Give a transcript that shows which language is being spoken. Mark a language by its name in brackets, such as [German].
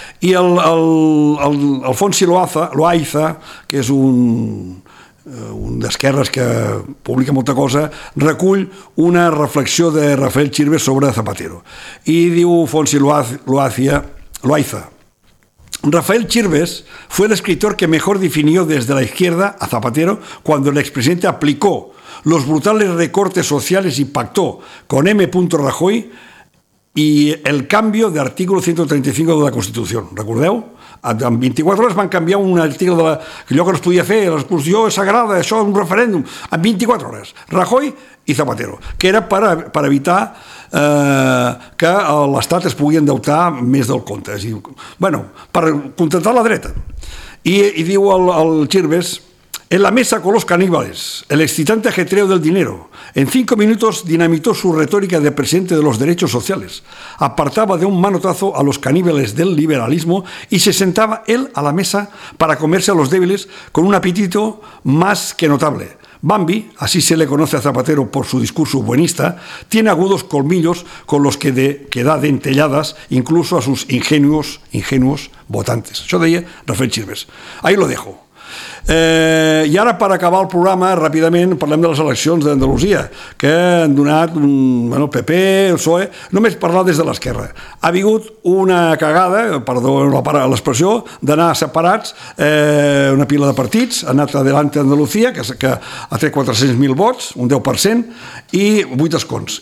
[Catalan] I Alfonsi Loaiza, que és un d'esquerres que publica molta cosa, recull una reflexió de Rafael Chirbes sobre Zapatero. I diu [Spanish] Alfonsi Loaiza: Rafael Chirbes fue el escritor que mejor definió desde la izquierda a Zapatero cuando el expresidente aplicó los brutales recortes sociales y pactó con M. Rajoy y el cambio de artículo 135 de la Constitución. [Catalan] ¿Recordeu? En 24 hores van canviar un article que allò que no es podia fer, l'expulsió és sagrada, això és un referèndum. En 24 hores, Rajoy i Zapatero, que era per evitar que l'Estat es pugui endeutar més del compte. És a dir, bueno, per contentar la dreta. I diu [Spanish] el Chirbes: en la mesa con los caníbales, el excitante ajetreo del dinero, en 5 minutos dinamitó su retórica de presidente de los derechos sociales, apartaba de un manotazo a los caníbales del liberalismo y se sentaba él a la mesa para comerse a los débiles con un apetito más que notable. Bambi, así se le conoce a Zapatero por su discurso buenista, tiene agudos colmillos con los que da dentelladas incluso a sus ingenuos votantes. Yo deía Rafael Chirbes. Ahí lo dejo. [Catalan] I ara, per acabar el programa, ràpidament parlem de les eleccions d'Andalusia, que han donat el PP, el PSOE, només parlar des de l'esquerra. Ha vingut una cagada, perdó l'expressió, d'anar separats, una pila de partits, ha anat adelante Andalusia, que ha tret 400.000 vots, un 10%, i 8 escons.